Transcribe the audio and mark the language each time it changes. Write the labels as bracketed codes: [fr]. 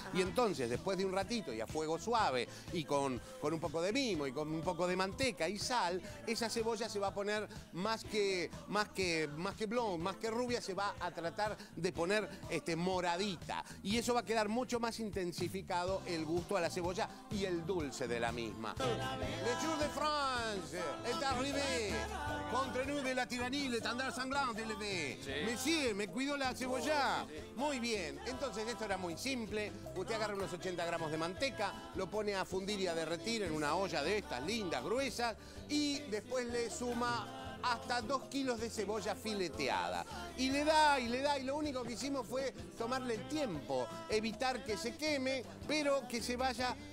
[es] Y entonces, después de un ratito y a fuego suave y con un poco de mimo y con un poco de manteca y sal, esa cebolla se va a poner más que blonde, más que rubia, se va a tratar de poner moradita. Y eso va a quedar mucho más intensificado el gusto a la cebolla y el dulce de la misma. [fr] Le Tour de France est arrivé. Contre nous de la tiranie, le tendard sanglant de l'été. [es] Monsieur, me cuido la cebolla. Muy bien. Entonces, esto era muy simple. Usted agarra unos 80 gramos de manteca, lo pone a fundir y a derretir en una olla de estas lindas, gruesas, y después le suma hasta 2 kilos de cebolla fileteada. Y le da, y le da, y lo único que hicimos fue tomarle el tiempo, evitar que se queme, pero que se vaya